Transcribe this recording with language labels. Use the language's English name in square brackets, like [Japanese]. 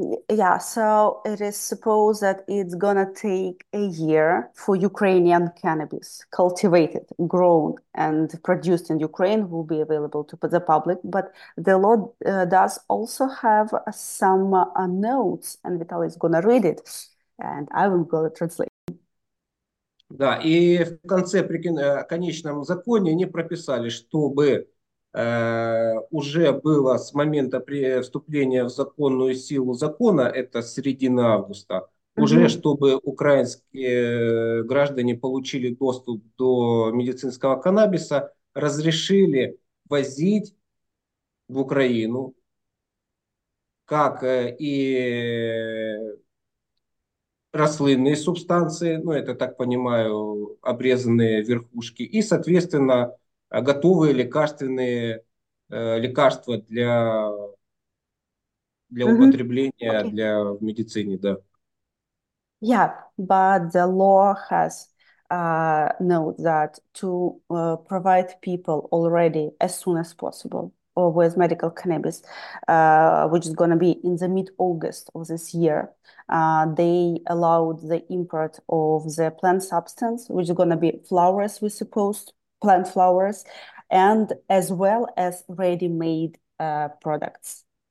[English] Yeah, so it is supposed that it's gonna take a year for Ukrainian cannabis cultivated, grown, and produced in Ukraine will be available to the public. But the law does also have some notes, and Vitaly is gonna read it, and I will go translate. [Russian] Да, и в конце, при конечном законе они прописали, чтобы уже было с момента вступления в законную силу закона, это середина августа, уже чтобы украинские граждане получили доступ до медицинского каннабиса, разрешили возить в Украину, как и рослинные субстанции, ну это так понимаю, обрезанные верхушки, и, соответственно, готовые лекарства для употребления для в медицине, да. [English] Yeah, but the law has note that to provide people already as soon as possible or with medical cannabis, which is going to be in the mid-August of this year, they allowed the import of the plant substance, which is going to be flowers, we suppose, plant flowers, and as well as ready-made products.